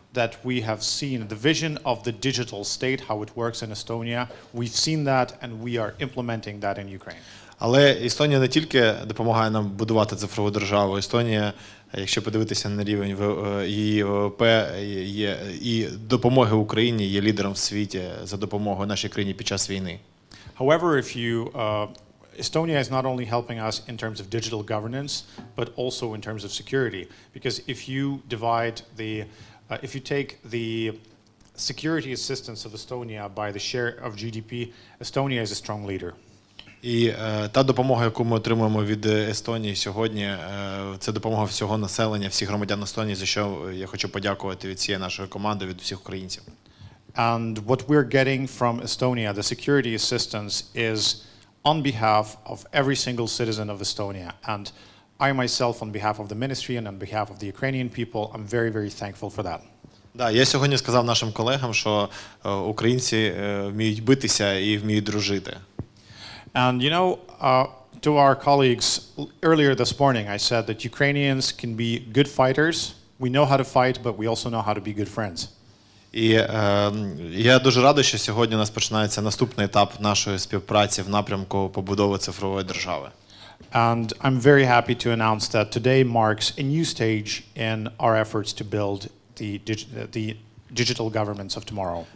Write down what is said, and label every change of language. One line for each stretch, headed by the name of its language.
English: that we have seen, the vision of the digital state, how it works in Estonia. We've seen that and we are implementing that in Ukraine.
Ukrainian: Але Естонія не тільки допомагає нам будувати цифрову державу. Естонія, якщо подивитися на рівень її ВВП і допомоги Україні, є лідером в світі за допомогою нашій країні під час війни.
English: However, if you Estonia is not only helping us in terms of digital governance, but also in terms of security, because if you divide the if you take the security assistance of Estonia by the share of GDP, Estonia is a strong leader.
Ukrainian: І та допомога, яку ми отримуємо від Естонії сьогодні, це допомога всього населення, всіх громадян Естонії, за що я хочу подякувати від всієї нашої команди, від всіх українців.
English: And what we're getting from Estonia, the security assistance, is on behalf of every single citizen of Estonia. And I myself, on behalf of the ministry and on behalf of the Ukrainian people, I'm very, very thankful for that.
Ukrainian: Так, я сьогодні сказав нашим колегам, що українці вміють битися і вміють дружити.
English: And you know, to our colleagues earlier this morning, I said that Ukrainians can be good fighters. We know how to fight, but we also know how to be good friends.
Ukrainian: І я дуже радий, що сьогодні у нас починається наступний етап нашої співпраці в напрямку побудови цифрової держави.
English: And I'm very happy to announce that today marks a new stage in our efforts to build the digital governments of tomorrow.